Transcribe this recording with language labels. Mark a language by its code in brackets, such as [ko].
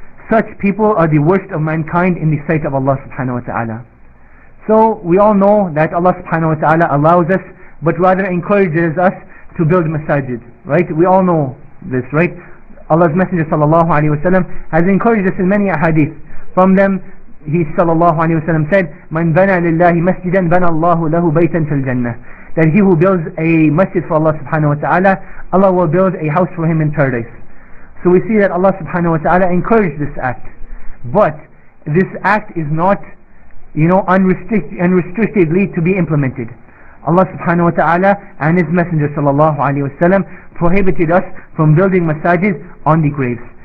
[en] Such people are the worst of mankind in the sight of Allah subhanahu wa ta'ala. So we all know that Allah subhanahu wa ta'ala allows us, but rather encourages us to build masajid, right? We all know this, right? Allah's Messenger sallallahu alayhi wa sallam has encouraged us in many ahadith. From them, he sallallahu alayhi wa sallam said, [ar] مَنْ بَنَى لِلَّهِ مَسْجِدًا بَنَى اللَّهُ لَهُ بَيْتًا فِي الْجَنَّةِ. [en] That he who builds a masjid for Allah subhanahu wa ta'ala, Allah will build a house for him in paradise. So we see that Allah subhanahu wa ta'ala encouraged this act. But this act is not, you know, unrestrictedly to be implemented. Allah subhanahu wa ta'ala and His Messenger sallallahu alayhi wa sallam prohibited us from building masajid on the graves.